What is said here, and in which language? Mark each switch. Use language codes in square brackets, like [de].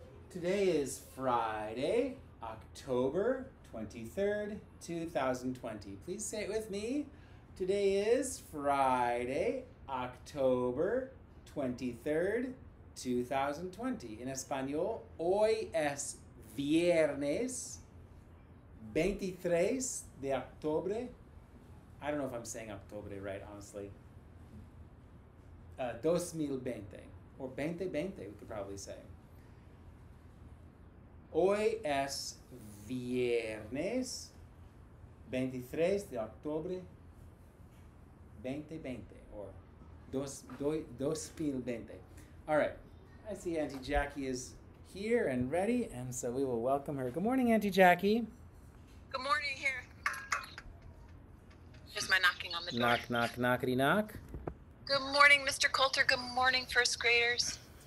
[en] Today is Friday, October 23rd, 2020. Please say it with me. Today is Friday, October 23rd, 2020. In Espanol, [es] hoy es viernes 23 de octubre. [en] I don't know if I'm saying octubre right, honestly. 2020, or 2020, we could probably say. [es] Hoy es viernes 23 de octubre 2020, or 2020. [en] All right, I see Auntie Jackie is here and ready, and so we will welcome her. Good morning, Auntie Jackie. Good morning, here. Just my knocking on the door. Knock, knock, knockety knock. Good morning, Mr. Coulter. Good morning, first graders.